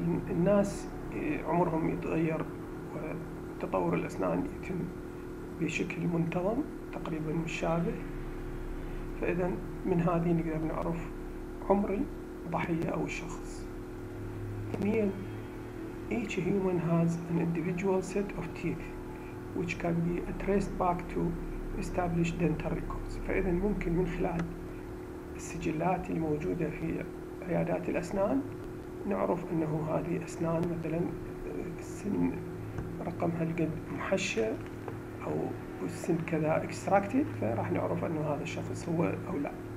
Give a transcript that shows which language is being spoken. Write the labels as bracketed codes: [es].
[ar] الناس عمرهم يتغير وتطور الأسنان يتم بشكل منتظم تقريباً مشابه. فإذا من هذه نقدر نعرف عمر الضحية أو الشخص. [en] ثانياً each human has an individual set of teeth which can be traced back to established dental records. [ar] فإذا ممكن من خلال السجلات الموجودة في عيادات الأسنان نعرف أنه هذه أسنان مثلا السن رقمها لقد محشى أو السن كذا extracted، فراح نعرف أنه هذا الشخص هو أو لا.